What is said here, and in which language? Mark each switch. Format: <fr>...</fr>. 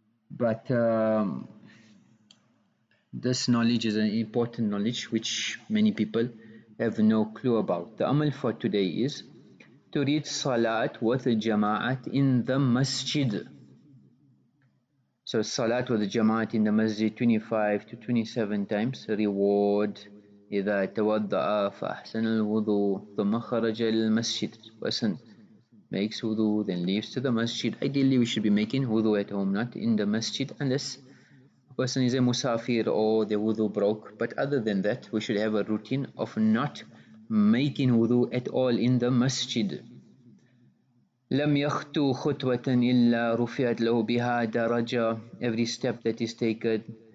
<en>But this knowledge is an important knowledge which many people have no clue about. The amal for today is to read salat with a jama'at in the masjid. So salat with a jama'at in the masjid 25 to 27 times, reward.</en> <ar>إذا توضأ فأحسن الوضوء ثم خرج للمسجد.</ar> <en>Person makes wudu, then leaves to the masjid. Ideally, we should be making wudu at home, not in the masjid, unless a person is a musafir or the wudu broke. But other than that, we should have a routine of not making wudu at all in the masjid.</en> <ar>لم يخطو خطوة إلا رفعت له بها درجة.</ar> <en>Every step that is taken,</en>